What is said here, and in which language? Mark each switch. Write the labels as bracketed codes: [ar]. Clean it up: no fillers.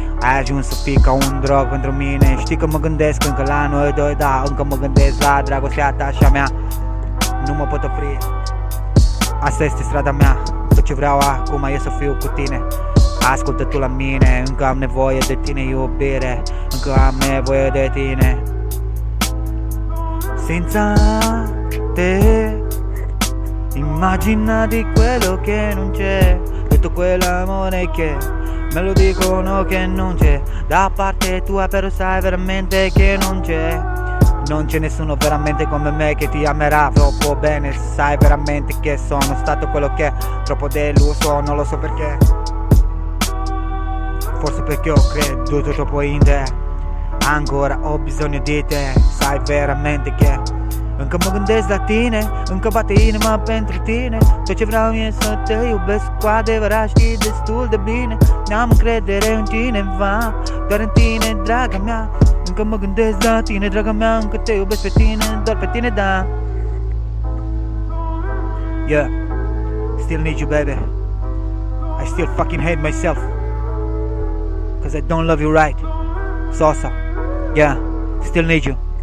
[ro] Ai ajuns să fii ca un drog pentru mine. Știi că mă gândesc încă la noi doi, da, încă mă gândesc la dragostea ta și a mea. Nu mă pot opri, asta este strada mea. Tot ce vreau acum e să fiu cu tine. Ascultă tu la mine, încă am nevoie de tine, iubire. Încă am nevoie de tine. [it] Senza te, immagina di quello che non c'è. Tutto quell'amore che me lo dicono che non c'è. Da parte tua però sai veramente che non c'è. Non c'è nessuno veramente come me che ti amerà troppo bene. Sai veramente che sono stato quello che è troppo deluso, non lo so perché. Forse perché ho creduto troppo in te. Ancora ho bisogno di te. Sai veramente che [ro] încă mă gândesc la tine, încă bate inima pentru tine. Tot ce vreau e să te iubesc cu adevărat, știi destul de bine. N-am încredere în cineva, doar în tine, draga mea. Încă mă gândesc la tine, draga mea, încă te iubesc pe tine, doar pe tine, da. [en] Yeah, still need you, baby. I still fucking hate myself, 'cause I don't love you right. Sosa, yeah, still need you.